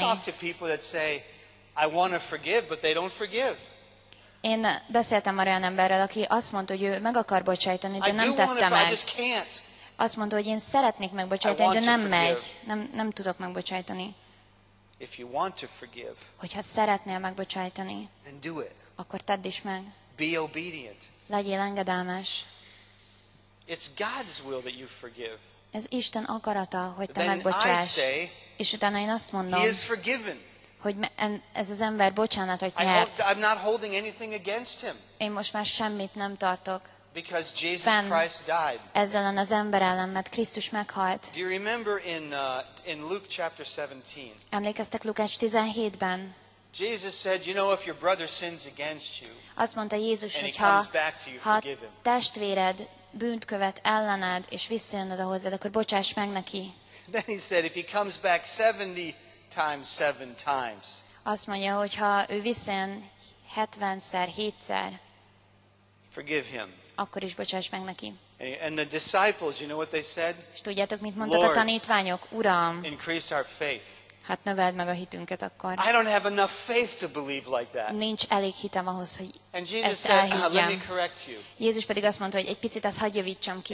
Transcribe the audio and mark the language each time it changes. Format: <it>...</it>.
<en>I've talked to people that say, I want to forgive, but they don't forgive.</en> <hu>Én beszéltem már olyan emberrel, aki azt mondta, hogy ő meg akar bocsájtani, de</hu> <en>I</en> <hu>nem tette meg.</hu> <en>I just can't.</en> <hu>Azt mondta, hogy én szeretnék megbocsájtani, de nem megy. Nem tudok megbocsájtani.</hu> <en>If you want to forgive,</en> <hu>hogyha szeretnél megbocsájtani,</hu> <en>then do it.</en> <hu>Akkor tedd is meg.</hu> <en>Be obedient.</en> <hu>Legyél engedelmes.</hu> <en>It's God's will that you forgive.</en> <hu>Ez Isten akarata, hogy te megbocsáss. És utána én azt mondom,</hu> <en>he is forgiven.</en> <hu>Hogy ez az ember bocsánatot nyert.</hu> <en>I'm not holding anything against him.</en> <hu>Én most már semmit nem tartok</hu> <en>Because Jesus Christ died.</en> <hu>Ezzelen az ember ellen, mert Krisztus meghalt.</hu> <en>Do you remember in Luke chapter 17?</en> <hu>Emlékeztek Lukács 17-ben?</hu> <en>Jesus said, you know, if your brother sins against you,</en> <hu>azt mondta Jézus,</hu> <en>and he comes back to you, forgive him.</en> <hu>Testvéred bűnt követ ellened, és visszajön oda hozzád, akkor bocsáss meg neki.</hu> <en>Then he said, if he comes back 70 times, 7 times.</en> <hu>Azt mondja, hogyha ő visszajön 70-szer, 7-szer,</hu> <en>forgive him.</en> <hu>Akkor is bocsáss meg neki.</hu> <en>And the disciples, you know what they said?</en> <hu>És tudjátok, mit mondtak a tanítványok? Uram,</hu> <en>increase our faith.</en> <hu>Hát növeld meg a hitünket akkor.</hu> <en>I don't have enough faith to believe like that.</en> <hu>Nincs elég hitem ahhoz, hogy</hu> <en>and Jesus</en> <hu>ezt elhiggyem.</hu> <en>Said, let me correct you.</en> <hu>Jézus pedig azt mondta, hogy egy picit azt hagyj javítsam ki.</hu>